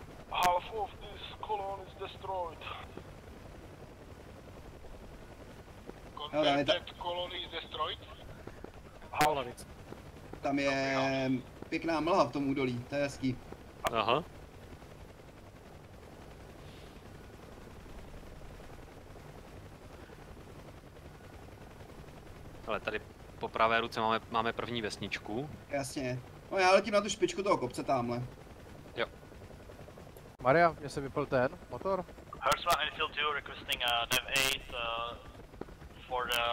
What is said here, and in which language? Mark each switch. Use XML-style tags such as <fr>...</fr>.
<en>Half of this column is destroyed. Contented column is destroyed. Halovic.</en> <cs>Tam je pěkná mlha v tom údolí, to je hezký. Aha. Ale tady po pravé ruce máme první vesničku. Jasně. No já letím na tu špičku toho kopce tamhle. Jo. Maria, mě se vypl ten motor.</cs> <en>Hertzman and Field 2 requesting a Dev 8 for the</en>